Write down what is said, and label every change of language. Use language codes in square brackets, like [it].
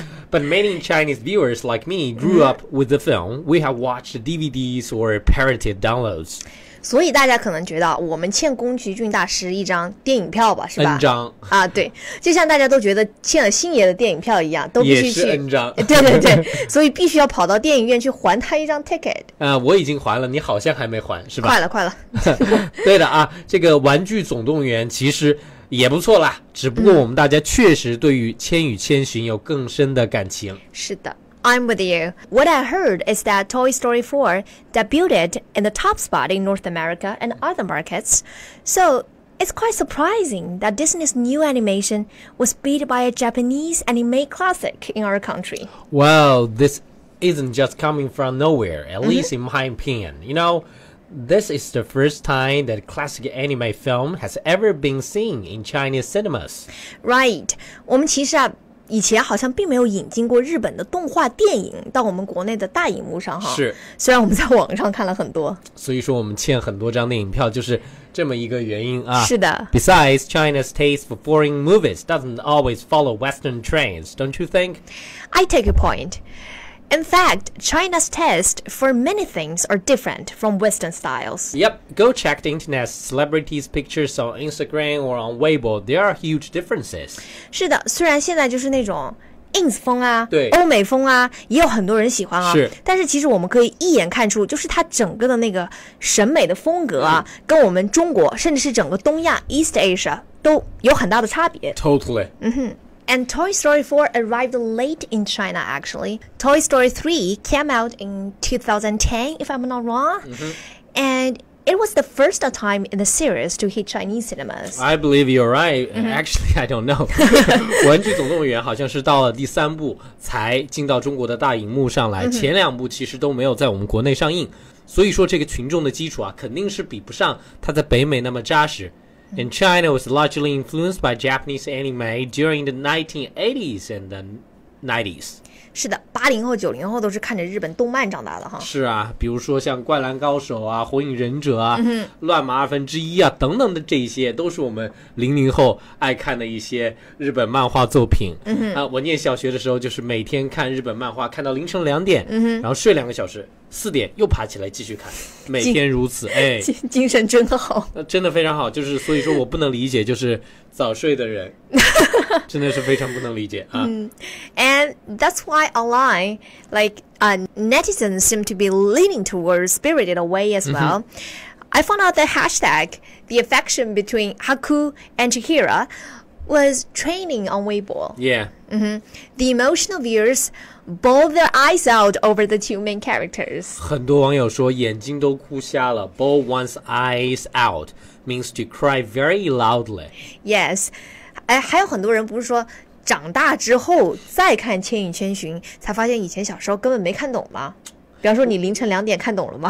[en] But many Chinese viewers like me grew up with the film. We have watched DVDs or pirated downloads. [zh] 所以大家可能觉得我们欠宫崎骏大师一张电影票吧，是吧？N 张啊，对，就像大家都觉得欠了星爷的电影票一样，都必须去。也是 N 张。对对对，所以必须要跑到电影院去还他一张 ticket。我已经还了，你好像还没还，是吧？快了，快了。对的啊，这个《玩具总动员》其实。也不错啦，只不过我们大家确实对于千与千寻有更深的感情。是的 [en] ,I'm with you. What I heard is that Toy Story 4 debuted in the top spot in North America and other markets. So, it's quite surprising that Disney's new animation was beat by a Japanese anime classic in our country. Well, this isn't just coming from nowhere, at least in my opinion, you know? This is the first time that a classic anime film has ever been seen in Chinese cinemas. Right. [zh] 我们其实啊，以前好像并没有引进过日本的动画电影到我们国内的大荧幕上哈。是，虽然我们在网上看了很多，所以说我们欠很多张电影票，就是这么一个原因啊。是的。 [en] Besides, China's taste for foreign movies doesn't always follow Western trends, don't you think? I take your point. In fact, China's taste for many things are different from Western styles. Yep, go check the internet celebrities' pictures on Instagram or on Weibo. There are huge differences. [zh] 是的，虽然现在就是那种 ins 风啊，对，欧美风啊，也有很多人喜欢啊。是，但是其实我们可以一眼看出，就是它整个的那个审美的风格啊，跟我们中国，甚至是整个东亚 East Asia 都有很大的差别。 [en] Totally. 嗯哼。 And Toy Story 4 arrived late in China, actually. Toy Story 3 came out in 2010, if I'm not wrong. Mm-hmm. And it was the first time in the series to hit Chinese cinemas. I believe you're right. Mm-hmm. Actually, I don't know. [zh] 玩具总动员好像是到了第三部才进到中国的大荧幕上来。前两部其实都没有在我们国内上映。所以说这个群众的基础啊，肯定是比不上它在北美那么扎实。 [en] And China was largely influenced by Japanese anime during the 1980s and the 90s. [zh] 是的，80后、90后都是看着日本动漫长大的哈。是啊，比如说像《灌篮高手》啊，《火影忍者》啊，嗯， 《乱马二分之一》啊，等等的，这些都是我们00后爱看的一些日本漫画作品。嗯哼，啊，我念小学的时候就是每天看日本漫画，看到凌晨两点，嗯哼，然后睡两个小时。四点又爬起来继续看，每天如此，哎，精神真好，真的非常好。就是所以说我不能理解，就是早睡的人真的是非常不能理解啊。 [en] And that's why online, like, netizens seem to be leaning towards Spirited Away as well. I found out the hashtag, the affection between Haku and Chihiro was trending on Weibo. Yeah. Mm-hmm. The emotional viewers. Bawled their eyes out over the two main characters. [zh] 很多网友说眼睛都哭瞎了。 [en] Bawled one's eyes out means to cry very loudly. Yes. [zh] 哎，还有很多人不是说长大之后再看《千与千寻》，才发现以前小时候根本没看懂吗？比方说你凌晨两点看懂了吗？